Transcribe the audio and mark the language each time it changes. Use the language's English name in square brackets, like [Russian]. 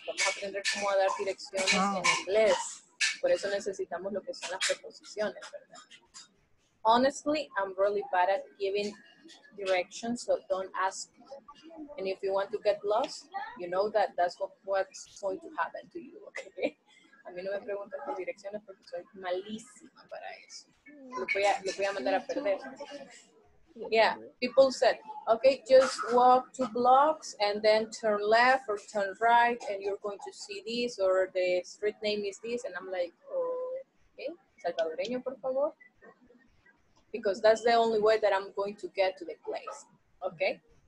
[Spanish] Vamos a aprender cómo dar direcciones en inglés. Por eso necesitamos lo que son las preposiciones, ¿verdad? [English] Honestly, I'm really bad at giving directions, so don't ask. And if you want to get lost, you know that that's what's going to happen to you, okay? [Spanish] A mí no me preguntan por direcciones porque soy malísima para eso. Lo voy a mandar a perder. [English] Yeah, people said, okay, just walk two blocks and then turn left or turn right and you're going to see this or the street name is this. And I'm like, oh, okay, [Spanish] salvadoreño, por favor. [English] Because that's the only way that I'm going to get to the place, okay?